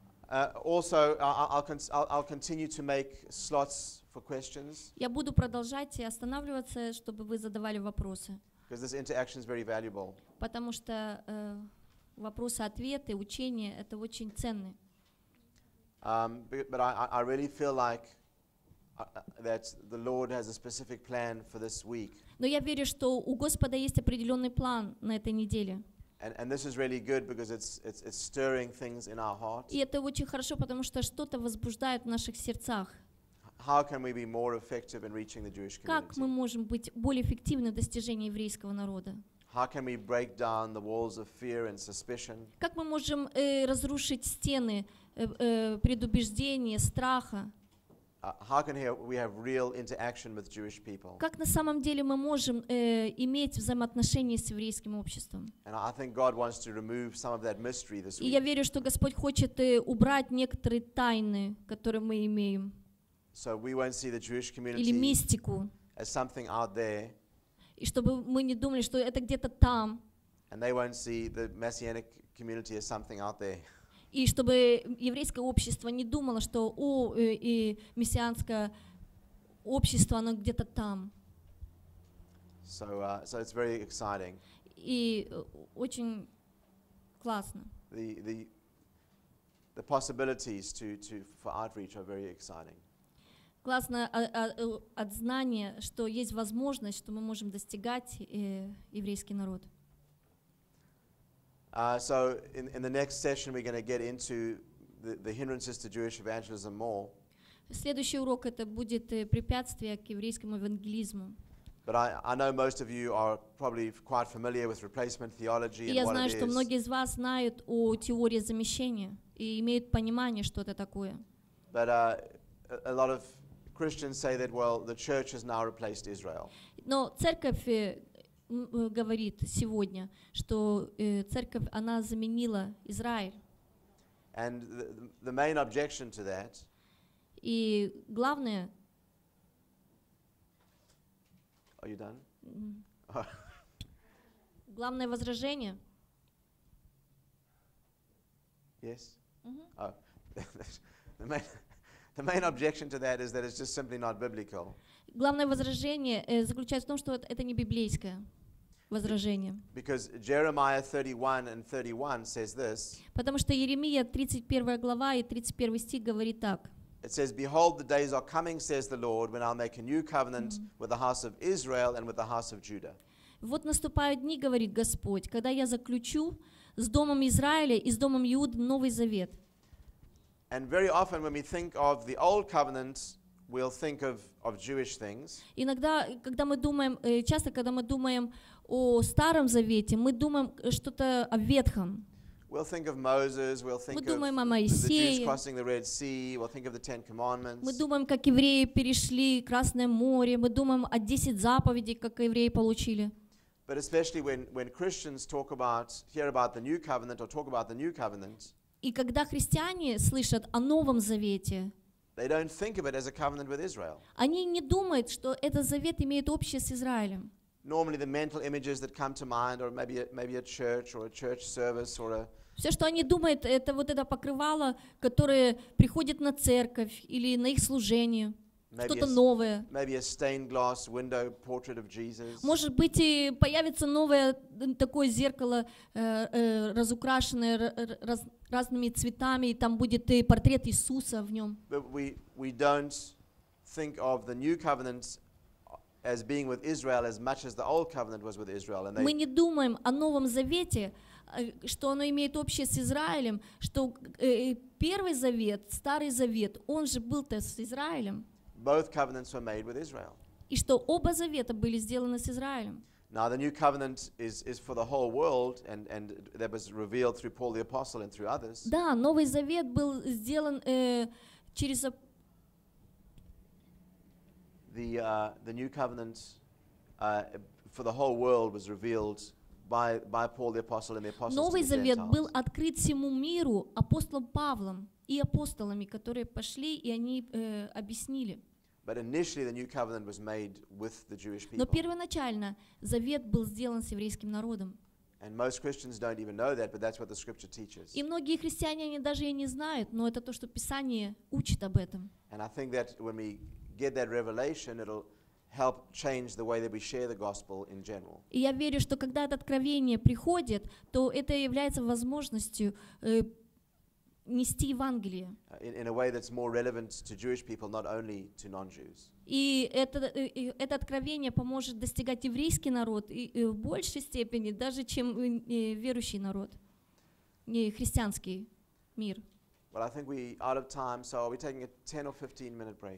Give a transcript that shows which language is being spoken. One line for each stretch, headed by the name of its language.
English: Also, I'll continue to make slots for questions.
Russian: Я буду продолжать и останавливаться, чтобы вы задавали вопросы.
English: Because this interaction is very valuable.
Russian: Потому что вопросы-ответы, учения — это очень ценны.
English: But I really feel like that the Lord has a specific plan for this week.
Russian: Но я верю, что у Господа есть определенный план на этой неделе.
English: And this is really good because it's stirring things in our hearts.
Russian: И это очень хорошо, потому что что-то возбуждает в наших сердцах.
English: How can we be more effective in reaching the Jewish community?
Russian: Как мы можем быть более эффективны в достижении еврейского народа?
English: How can we break down the walls of fear and suspicion?
Russian: Как мы можем разрушить стены предубеждения, страха?
English: How can we have real interaction with Jewish people?
Russian: Как на самом деле мы можем иметь взаимоотношения с еврейским обществом?
English: And I think God wants to remove some of that mystery this week.
Russian: И я верю, что Господь хочет убрать некоторые тайны, которые мы имеем.
English: So we won't see the Jewish community as something out there.
Russian: И чтобы мы не думали, что это где-то там.
English: And they won't see the Messianic community as something out there.
Russian: И чтобы еврейское общество не думало, что о, и мессианское общество, оно где-то там.
English: So it's very exciting.
Russian: И очень классно.
English: The possibilities to for outreach are very exciting.
Russian: Классно от знания, что есть возможность, что мы можем достигать еврейский народ.
English: So in the next session we're going to get into the hindrances to Jewish evangelism more.
Russian: Следующий урок это будет препятствия к еврейскому евангелизму.
English: But I know most of you are probably quite familiar with replacement theology and what it is.
Russian: Я знаю, что многие из вас знают о теории замещения и имеют понимание, что это такое.
English: But a lot of Christians say that well, the church has now replaced Israel.
Russian: Но церковь говорит сегодня, что церковь она заменила Израиль.
English: And the main objection to that.
Russian: И главное.
English: Are you done?
Russian: Главное возражение.
English: Yes. The main objection to that is that it's just simply not biblical.
Russian: Главное возражение заключается в том, что это не библейское возражение.
English: Because Jeremiah 31 and 31 says this.
Russian: Потому что Иеремия 31 глава и 31 стих говорит так.
English: It says, "Behold, the days are coming, says the Lord, when I'll make a new covenant with the house of Israel and with the house of Judah."
Russian: Вот наступают дни, говорит Господь, когда я заключу с домом Израиля и с домом Иуды новый завет.
English: And very often when we think of the old covenant, we'll think of Jewish things.
Russian: Иногда, когда мы думаем, часто, когда мы думаем о Старом Завете, мы думаем что-то о Ветхом.
English: We'll think of Moses, we'll think of the Jews crossing the Red Sea, we'll think of the Ten Commandments.
Russian: Мы думаем, как евреи перешли Красное море, мы думаем о 10 заповедей, как евреи получили.
English: But especially when Christians talk about, hear about the New Covenant or talk about the New Covenant,
Russian: и когда христиане слышат о Новом Завете,
English: they don't think of it as a covenant with Israel.
Russian: Они не думают, что этот завет имеет общее с Израилем.
English: Normally the mental images that come to mind are maybe a church or a church service or a.
Russian: Все, что они думают, это вот это покрывало, которое приходит на церковь или на их служение.
English: Maybe
Russian: что-то новое.
English: Maybe a stained glass window portrait of Jesus.
Russian: Может быть, и появится новое такое зеркало, разукрашенное разными цветами, и там будет и портрет Иисуса в нем.
English: But we don't think of the new covenant as being with Israel as much as the old covenant was with Israel.
Russian: Мы не думаем о Новом Завете, что оно имеет общее с Израилем, что Первый Завет, Старый Завет, он же был-то с Израилем.
English: Both covenants were made with Israel.
Russian: И что оба завета были сделаны с Израилем.
English: Now the new covenant is for the whole world and that was revealed through Paul the apostle and through others.
Russian: Да, Новый Завет был сделан через
English: the new covenant for the whole world was revealed by Paul the apostle and the apostles.
Russian: Новый Завет был открыт всему миру апостолом Павлом и апостолами, которые пошли и они объяснили.
English: But initially the new covenant was made with the Jewish people.
Russian: Но первоначально завет был сделан с еврейским народом.
English: And most Christians don't even know that, but that's what the scripture teaches.
Russian: И многие христиане они даже и не знают, но это то, что Писание учит об этом.
English: And I think that when we get that revelation, it'll help change the way that we share the gospel in general.
Russian: И я верю, что когда это откровение приходит, то это является возможностью нести Евангелие.
English: In a way that's more relevant to Jewish people, not only to non-Jews.
Russian: И это откровение поможет достигать еврейский народ и в большей степени, даже чем верующий народ, не христианский мир.
English: But I think we're out of time, so are we taking a 10 or 15 minute break?